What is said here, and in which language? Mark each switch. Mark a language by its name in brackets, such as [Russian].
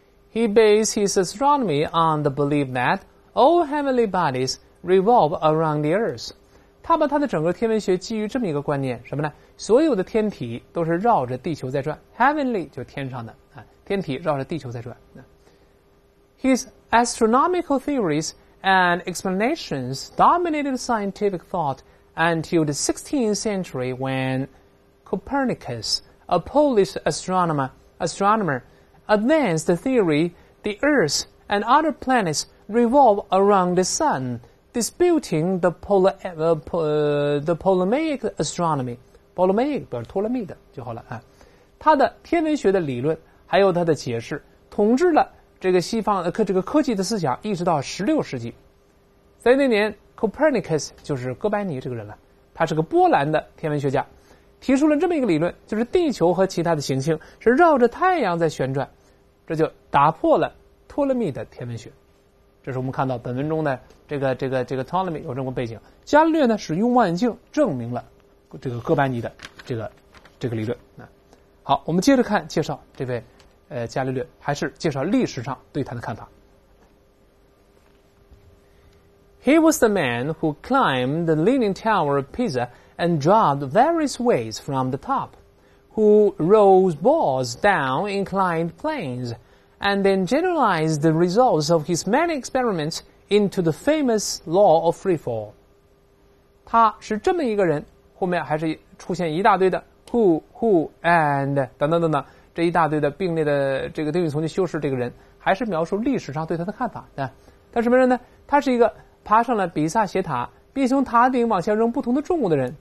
[English] He based his astronomy on the belief that all heavenly bodies revolve around the earth. [Chinese] 他把他的整个天文学基于这么一个观念，什么呢？所有的天体都是绕着地球在转。 Heavenly 就天上的啊，天体绕着地球在转。 [English] His astronomical theories and explanations dominated scientific thought until the 16th century when Copernicus, a Polish astronomer, advanced the theory the Earth and other planets revolve around the Sun, disputing the Ptolemaic astronomy. [Chinese] Ptolemaic 不是托勒密的就好了啊。他的天文学的理论还有他的解释，统治了这个西方这个科技的思想，一直到16世纪。在那年 ，Copernicus 就是哥白尼这个人了，他是个波兰的天文学家，提出了这么一个理论，就是地球和其他的行星是绕着太阳在旋转，这就打破了托勒密的天文学。这是我们看到本文中的这个 Ptolemy 有这么背景，伽利略呢是用望远镜证明了这个哥白尼的这个理论。好，我们接着看介绍这位伽利略，还是介绍历史上对他的看法。 [English] He was the man who climbed the Leaning Tower of Pisa and dropped various weights from the top. who rolled balls down inclined planes and then generalized the results of his many experiments into the famous law of free fall. [Chinese] 他是这么一个人，后面还是出现一大堆的 [English] who and [Chinese] 等等等等，这一大堆的并列的这个定语从句修饰，这个人还是描述历史上对他的看法。对，他什么人呢？他是一个爬上了比萨斜塔并从塔顶往下扔不同的重物的人。